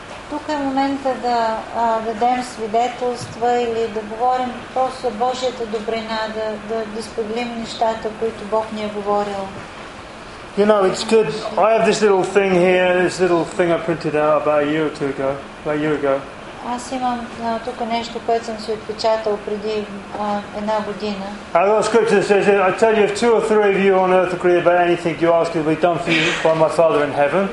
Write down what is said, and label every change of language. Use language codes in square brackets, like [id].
[bg] Тук е момента да дадем свидетелства или да говорим просто Божията добрина, да споделим нещата, които Бог ни е говорил. [en] You know, it's good. I have this little thing here, this little thing I printed out about a year ago. [bg] Аз имам тук нещо, което съм си отпечатал преди една година. [en] I got a scripture that says, I tell you, if two or three of you on earth agree about anything you ask, it will be done for you by my Father in heaven.